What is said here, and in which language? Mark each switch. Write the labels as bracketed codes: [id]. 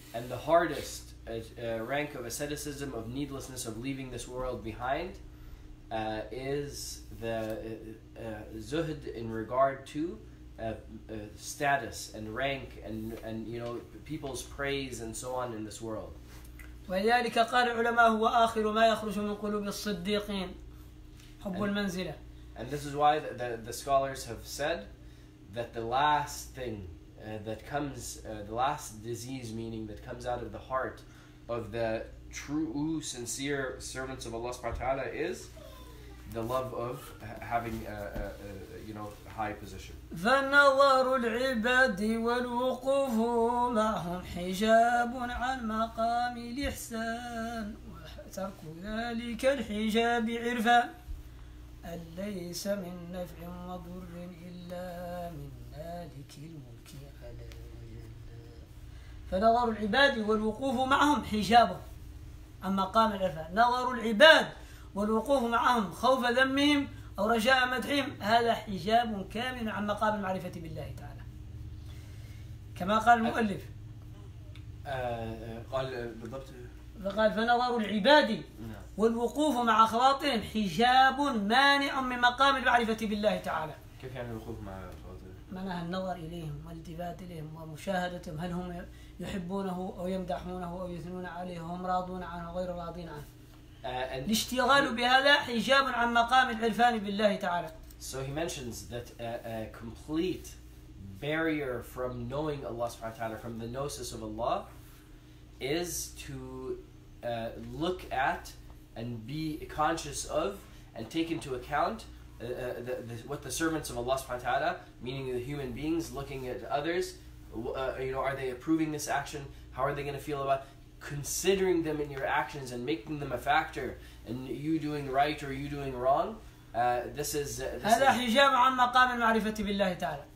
[en] And the hardest rank of asceticism, of needlessness, of leaving this world behind, is the zuhd in regard to status and rank and you know, people's praise and so on in this world. [ar] ولذلك قال العلماء هو آخر ما يخرج من قلوب الصديقين حب المنزلة. [en] And this is why the scholars have said that the last thing that comes, the last disease, meaning that comes out of the heart of the true, sincere servants of Allah subhanahu wa ta'ala is the love of having a you know, high position. [ar] فنظر العباد والوقوف معهم حجاب عن مقام الإحسان وترك ذلك الحجاب عرفا ليس من نفع وضر إلا من مالك الملك على وجل. فنظر العباد والوقوف معهم حجابه عن مقام الإرفاء، نظر العباد والوقوف معهم خوف ذمهم أو رجاء مدحهم هذا حجاب كامل عن مقام المعرفة بالله تعالى. كما قال المؤلف قال بالضبط، فقال فنظر العباد والوقوف مع خواطرهم حجاب مانع من مقام المعرفة بالله تعالى. كيف يعني الوقوف مع خواطرهم؟ معناها النظر إليهم والالتفات إليهم ومشاهدتهم، هل هم يحبونه أو يمدحونه أو يثنون عليه، هم راضون عنه غير راضين عنه. الاشتغال بهذا حجاب عن مقام العرفان بالله تعالى. [en] So he mentions that a complete barrier from knowing Allah سبحانه وتعالى, from the gnosis of Allah, is to look at and be conscious of and take into account what the servants of Allah سبحانه وتعالى, meaning the human beings, looking at others, you know, are they approving this action? How are they going to feel about it? Considering them in your actions and making them a factor in you doing right or you doing wrong, this is [ar] هذا حجاب عن مقام المعرفة بالله تعالى.